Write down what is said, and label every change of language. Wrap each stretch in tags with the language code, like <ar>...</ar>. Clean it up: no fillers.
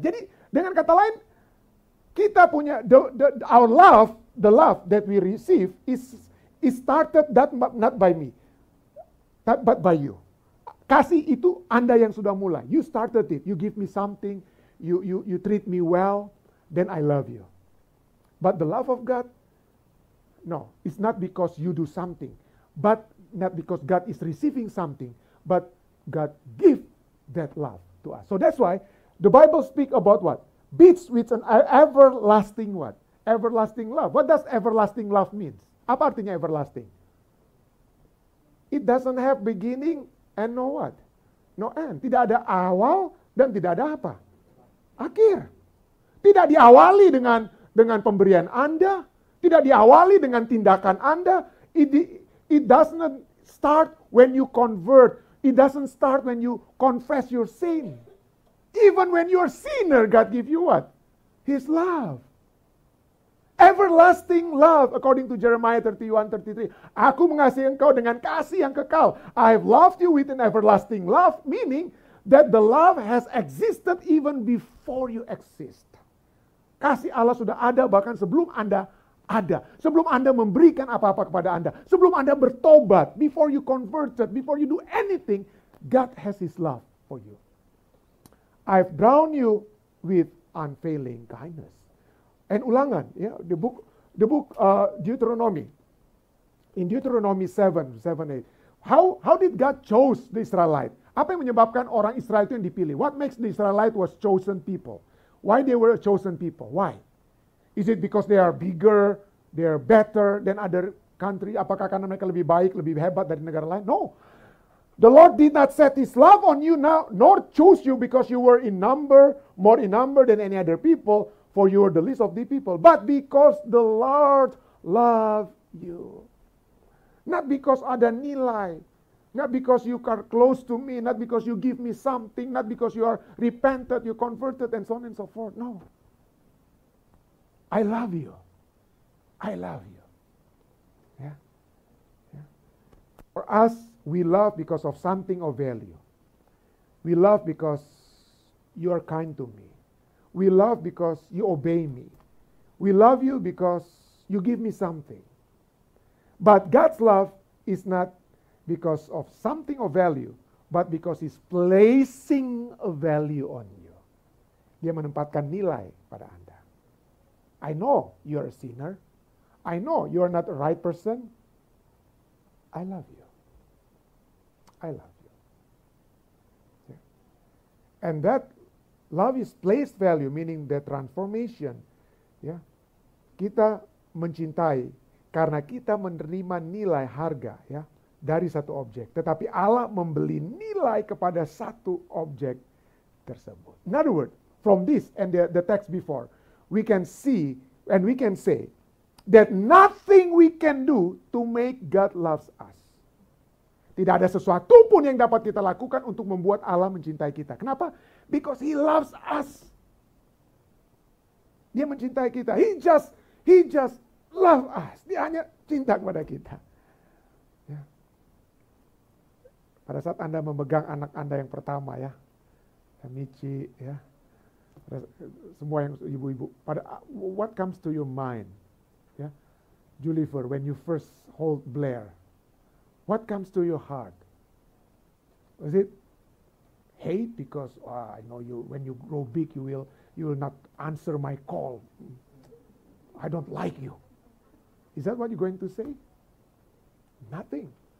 <id>Jadi dengan kata lain, kita punya</id> <en>the love that we receive is started that not by me. But by you.</en> <id>Kasih itu Anda yang sudah mulai.</id> <en>You started it. You give me something. You treat me well. Then I love you. But the love of God, no. It's not because you do something. But not because God is receiving something, but God give that love to us. So that's why the Bible speak about what? Beats with an everlasting what? Everlasting love. What does everlasting love mean?</en> <id>Apa artinya</id> <en>everlasting? It doesn't have beginning and no what? No end.</en> <id>Tidak ada awal dan tidak ada apa? Akhir. Tidak diawali dengan pemberian Anda. Tidak diawali dengan tindakan Anda.</id> <en>It doesn't start when you convert. It doesn't start when you confess your sin. Even when you're a sinner, God give you what? His love. Everlasting love, according to Jeremiah 31:33.</en> <id>Aku mengasihi engkau dengan kasih yang kekal.</id> <en>I have loved you with an everlasting love, meaning that the love has existed even before you exist.</en> <id>Kasih Allah sudah ada bahkan sebelum Anda ada. Sebelum Anda memberikan apa-apa kepada Anda. Sebelum Anda bertobat,</id> <en>before you converted, before you do anything, God has his love for you. I've drowned you with unfailing kindness. And ulangan, yeah, the book Deuteronomy. In Deuteronomy 7:8. How did God choose the Israelite?</en> <id>Apa yang menyebabkan orang Israel itu yang dipilih?</id> <en>What makes the Israelite was chosen people? Why they were a chosen people? Why? Is it because they are bigger, they are better than other country?</en> <id>Apakah karena mereka lebih baik, lebih hebat dari negara lain?</id> <en>No. The Lord did not set his love on you now, nor choose you because you were in number, more in number than any other people. For you are the least of the people, but because the Lord love you. Not because</en> <id>ada nilai,</id> <en>not because you are close to me, not because you give me something, not because you are repented, you converted, and so on and so forth. No. I love you. I love you. Yeah. Yeah. For us, we love because of something of value. We love because you are kind to me. We love because you obey me. We love you because you give me something. But God's love is not because of something of value, but because he's placing a value on you.</en> <id>Dia menempatkan nilai pada Anda.</id> <en>I know you're a sinner. I know you're not the right person. I love you. I love you. Yeah. And that love is placed value, meaning the transformation. Yeah.</en> <id>Kita mencintai karena kita menerima nilai harga ya, dari satu objek. Tetapi Allah membeli nilai kepada satu objek tersebut.</id> <en>In other words, from this and the text before, we can see and we can say that nothing we can do to make God loves us.</en> <id>Tidak ada sesuatu pun yang dapat kita lakukan untuk membuat Allah mencintai kita. Kenapa?</id> <en>Because he loves us.</en> <id>Dia mencintai kita.</id> <en>He just loves us.</en> <id>Dia hanya cinta kepada kita. Ya. Pada saat Anda memegang anak Anda yang pertama ya. Michi ya. Semua yang ibu-ibu.</id> <en>Pada what comes to your mind? Ya. Julifer, when you first hold Blair. What comes to your heart? Was it hate because I know you when you grow big you will not answer my call. I don't like you. Is that what you're going to say? Nothing.</en>